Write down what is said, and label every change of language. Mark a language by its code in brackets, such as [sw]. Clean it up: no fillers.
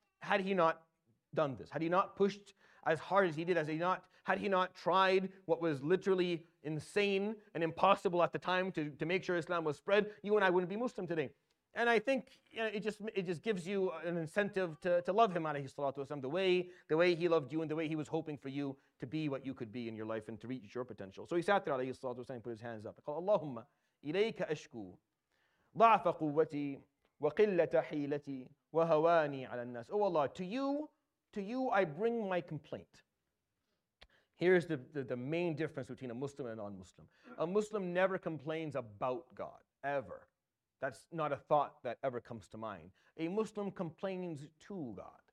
[en] Had he not done this, had he not pushed as hard as he did, had he not tried what was literally insane and impossible at the time to make sure Islam was spread, you and I wouldn't be Muslim today. And I think, you know, it just gives you an incentive to love him, alayhi salatu wasalam, the way he loved you and the way he was hoping for you to be what you could be in your life and to reach your potential. So he sat there, alayhi salatu wasalam, and put his hands up. [ar] قال اللهم إليك أشكو ضعف قوتي وقلة حيلتي وهواني على الناس. [en] Oh Allah, to you I bring my complaint. Here's the main difference between a Muslim and a non-Muslim. A Muslim never complains about God, ever. That's not a thought that ever comes to mind. A Muslim complains to God.